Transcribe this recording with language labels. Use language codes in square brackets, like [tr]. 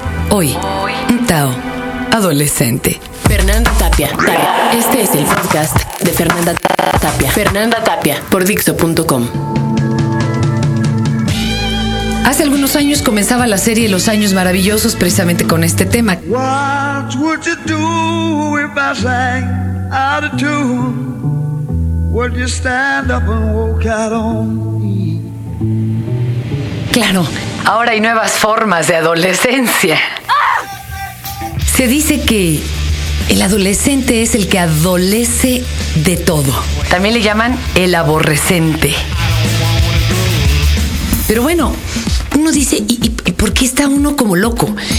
[es] Hoy. Un Tao adolescente. Fernanda Tapia. Este es el podcast de Fernanda Tapia. Fernanda Tapia por Dixo.com. Hace algunos años comenzaba la serie Los Años Maravillosos precisamente con este tema. [en] What would you do if I sang out of tune? Would you stand up and walk out on me? [es] Claro, ahora hay nuevas formas de adolescencia. Se dice que el adolescente es el que adolece de todo. También le llaman el aborrecente. Pero bueno, uno dice, ¿y por qué está uno como loco?